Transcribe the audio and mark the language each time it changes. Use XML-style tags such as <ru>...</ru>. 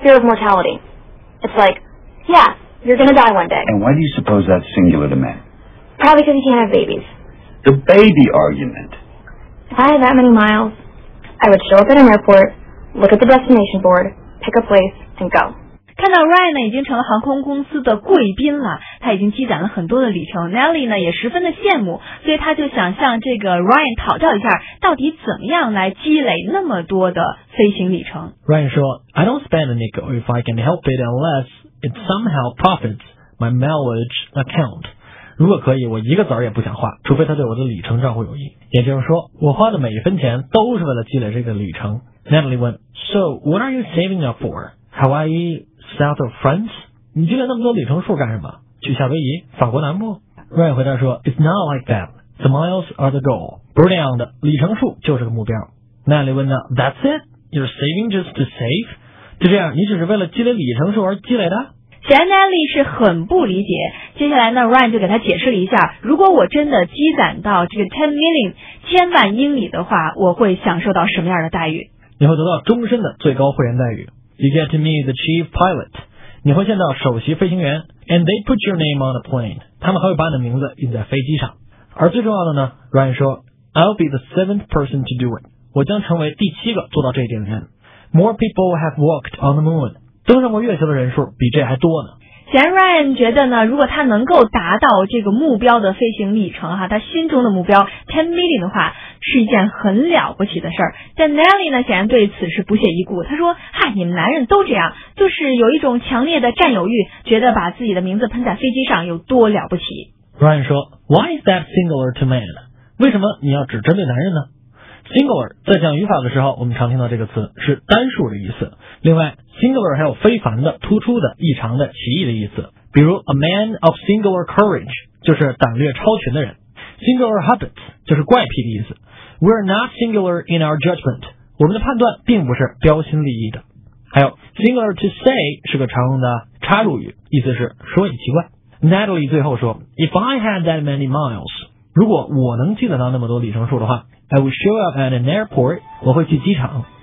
<en>Fear of mortality. It's like, yeah, you're going to die one day. And why do you suppose that's singular to men? Probably because you can't have babies. The baby argument. If I had that many miles, I would show up at an airport, look at the destination board, pick a place, and go.</en> <zh>看到 Ryan 呢已经成了航空公司的贵宾了，他已经积攒了很多的里程， Nelly 呢也十分的羡慕，所以他就想向这个 Ryan 讨教一下到底怎么样来积累那么多的飞行里程。</zh> <en>Ryan 说， I don't spend a nickel if I can help it unless it somehow profits my mileage account.</en> <zh>如果可以，我一个子儿也不想花，除非他对我的里程账户有益。也就是说，我花的每一分钱都是为了积累这个里程。</zh> <en>Natalie 问 ，So what are you saving up for? Hawaii, South of France?</en> <zh>你积累那么多里程数干什么？去夏威夷，法国南部 ？Ryan 回答说 ，</zh> <en>It's not like that. The miles are the goal.</en> <zh>不是那样的，里程数就是个目标。</zh> <en>Natalie 问呢 ，That's it? You're saving just to save?</en> <zh>就这样，你只是为了积累里程数而积累的？显然 Natalie 是很不理解，接下来呢 Ryan 就给他解释了一下，如果我真的积攒到这个 10 million 千万英里的话，我会享受到什么样的待遇。你会得到终身的最高会员待遇。</zh> <en>You get to meet the chief pilot.</en> <zh>你会见到首席飞行员。</zh> <en>And they put your name on the plane.</en> <zh>他们还会把你的名字印在飞机上。而最重要的呢</zh> <en>，Ryan 说 ，I'll be the seventh person to do it.</en> <zh>我将成为第七个做到这一点的人。</zh> <en>More people have walked on the moon.</en> <zh>登上过月球的人数比这还多呢。既然 Ryan 觉得呢，如果他能够达到这个目标的飞行里程哈，他心中的目标 10 million 的话，是一件很了不起的事儿。但 Nelly 呢，显然对此是不屑一顾。他说：“嗨，你们男人都这样，就是有一种强烈的占有欲，觉得把自己的名字喷在飞机上有多了不起。”</zh> <en>Ryan 说 ：“Why is that singular to man？</en> <zh>为什么你要只针对男人呢 ？”Singular 在讲语法的时候，我们常听到这个词是单数的意思。另外 ，singular 还有非凡的、突出的、异常的、奇异的意思。比如 ，</zh> <en>a man of singular courage</en> <zh>就是胆略超群的人。</zh> <en>Singular habits</en> <zh>就是怪癖的意思。</zh> <en>We're not singular in our judgment.</en> <zh>我们的判断并不是标新立异的。还有 ，</zh> <en>singular to say</en> <zh>是个常用的插入语，意思是说你奇怪。</zh> <en>Natalie 最后说 ，If I had that many miles，</en> <zh>如果我能记得到那么多里程数的话</zh> <en>，I would show up at an airport，</en> <zh>我会去机场。</zh>